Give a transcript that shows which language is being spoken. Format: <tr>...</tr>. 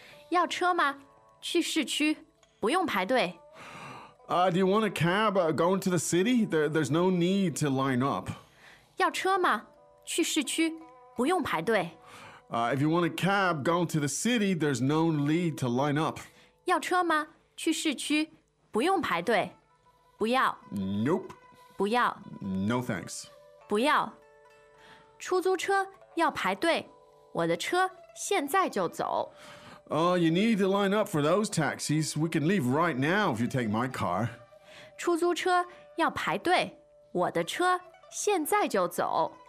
<zh>要车吗？去市区，不用排队。</zh> <en>Do you want a cab going to the city? There's no need to line up.</en> <zh>要车吗？去市区，不用排队。</zh> <en>If you want a cab going to the city, there's no need to line up.</en> <zh>要车吗？去市区，不用排队。不要。Nope. 不要。No</zh> <en>thanks.</en> <zh>不要。出租车要排队，我的车现在就走。</zh> <en>You need to line up for those taxis. We can leave right now if you take my car.</en> <zh>出租车要排队，我的车现在就走。</zh>